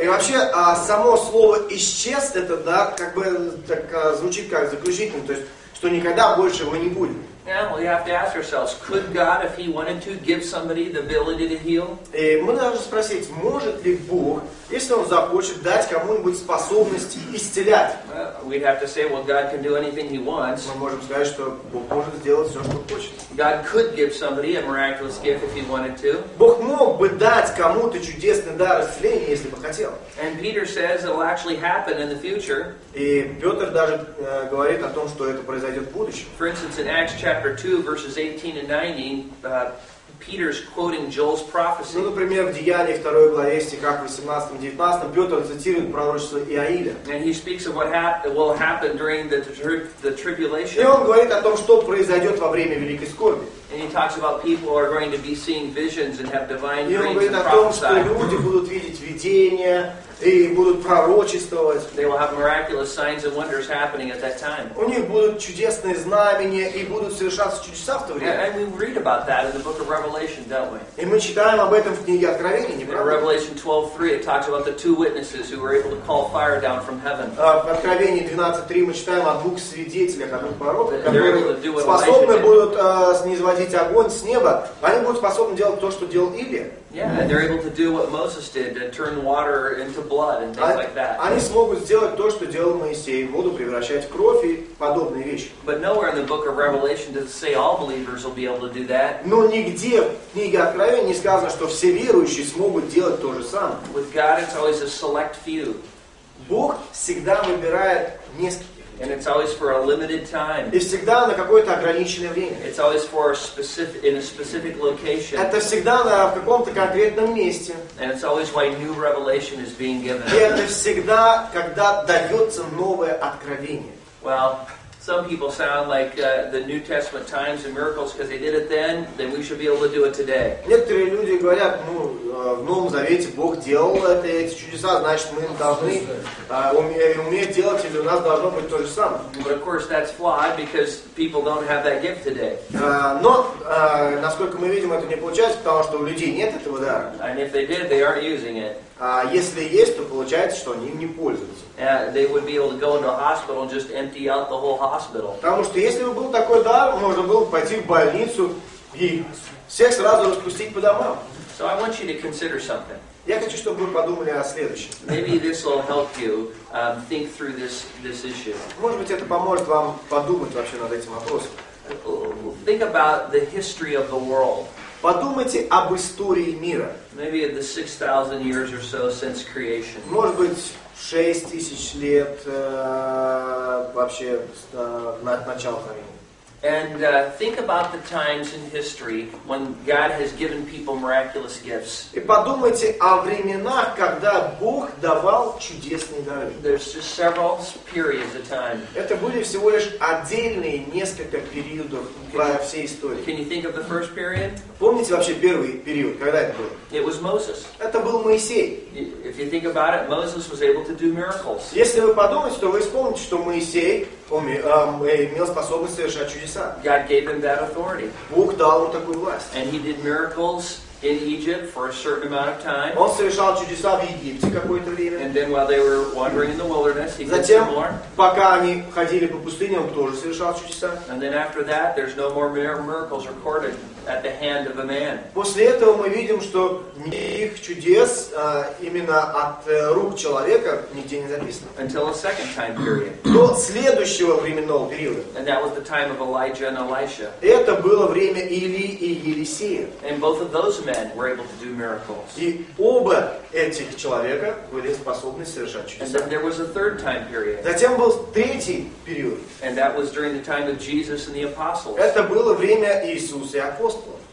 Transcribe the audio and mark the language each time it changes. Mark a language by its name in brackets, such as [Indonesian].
[Russian] И вообще, само слово исчез, это да, как бы так звучит как заключительное, то есть что никогда больше его не будет. [English] Yeah, well, you have to ask yourselves, could God, if He wanted to, give somebody the ability to heal? [Russian] И мы должны спросить, может ли Бог, если Он захочет, дать кому-нибудь способность исцелять? [English] We'd have to say, well, God can do anything He wants. [Russian] Мы можем сказать, что Бог может сделать все, что хочет. [English] God could give somebody a miraculous gift if He wanted to. [Russian] Бог мог бы дать кому-то чудесный дар исцеления, если бы хотел. [English] And Peter says it'll actually happen in the future. [Russian] И Петр даже говорит о том, что это произойдет в будущем. [English] For instance, in Acts chapter 2, verses 18 and 19, Peter's quoting Joel's prophecy. [Russian] Ну, например, в Деяниях 2 главе, стихах 18-19, Петр цитирует пророчество Иаиля. [English] And he speaks of what will happen during the tribulation. [Russian] И он говорит о том, что произойдет во время Великой Скорби. [English] And he talks about people are going to be seeing visions and have divine dreams and [Russian] И он говорит о том, что люди будут видеть видения и будут пророчествовать. [English] They will have miraculous signs and wonders happening at that time. [Russian] У них будут чудесные знамения и будут совершаться чудеса в то время. [English] And we read about that in the book of Revelation, don't we? [Russian] И мы читаем об этом в книге Откровения, не правда? [English] In Revelation 12:3, it talks about the two witnesses who were able to call fire down from heaven. [Russian] В Откровении 12:3 мы читаем о двух свидетелях, о двух пророках, которые способны будут снизводить огонь с неба. Они будут способны делать то, что делал Илия. [English] Yeah, and they're able to do what Moses did, to turn water into blood and things like that. [Russian] Они смогут сделать то, что делал Моисей, воду превращать в кровь и подобные вещи. [English] But nowhere in the book of Revelation does it say all believers will be able to do that. [Russian] Но нигде в книге Откровения не сказано, что все верующие смогут делать то же самое. [English] With God, it's always a select few. [Russian] Бог всегда выбирает нескольких. [English] And it's always for a limited time. [Russian] И всегда на какое-то ограниченное время. [English] It's always for a specific, in a specific location. [Russian] Это всегда в каком-то конкретном месте. [English] And it's always why new revelation is being given. [Russian] И это всегда, когда дается новое откровение. [English] Well, some people sound like the New Testament times and miracles because they did it then we should be able to do it today. [Russian] Некоторые люди говорят, ну, в Новом Завете Бог делал это, эти чудеса, значит, мы должны уметь делать, или у нас должно быть то же самое. [English] But of course, that's flawed because people don't have that gift today. [Russian] Но, насколько мы видим, это не получается, потому что у людей нет этого дара. [English] And if they did, they aren't using it. [Russian] А если есть, то получается, что они им не пользуются. [English] They would be able to go into a hospital and just empty out the whole hospital. [Russian] Потому что если бы был такой дар, можно было бы пойти в больницу и всех сразу распустить по домам. [English] So I want you to consider something. [Russian] Я хочу, чтобы вы подумали о следующем. [English] Maybe this will help you think through this issue. [Russian] Может быть, это поможет вам подумать вообще над этим вопросом. [English] Think about the history of the world. [Russian] Подумайте об истории мира. [English] Maybe the 6,000 years or so since creation. [Russian] Может быть, 6000 лет вообще от начала творения. [English] And think about the times in history when God has given people miraculous gifts. [Russian] И подумайте о временах, когда Бог давал чудесные дары. [English] There's just several periods of time. [Russian] Это были всего лишь отдельные несколько периодов во всей истории. [English] Can you think of the first period? [Russian] Помните вообще первый период, когда это было? [English] It was Moses. [Russian] Это был Моисей. [English] If you think about it, Moses was able to do miracles. [Russian] Если вы подумаете, то вы вспомните, что Моисей имел способность совершать чудеса. [English] God gave him that authority. [Russian] Бог дал ему такую власть. [English] And he did miracles in Egypt for a certain amount of time. [Russian] Он совершал чудеса в Египте какое-то время. [English] And then while they were wandering in the wilderness, he [Russian] Затем, [English] did some more. [Russian] Пока они ходили по пустыне, он тоже совершал чудеса. [English] And then after that, there's no more miracles recorded at the hand of a man. [Russian] После этого мы видим, что никаких чудес именно от рук человека нигде не записано. [English] Until a second time period. [Russian] До следующего временного периода. [English] And that was the time of Elijah and Elisha. [Russian] Это было время Илии и Елисея. [English] And both of those men were able to do miracles. [Russian] И оба этих человека были способны совершать чудеса. [English] And then there was a third time period. [Russian] Затем был третий период. [English] And that was during the time of Jesus and the apostles. [Russian] Это было время Иисуса и апостолов.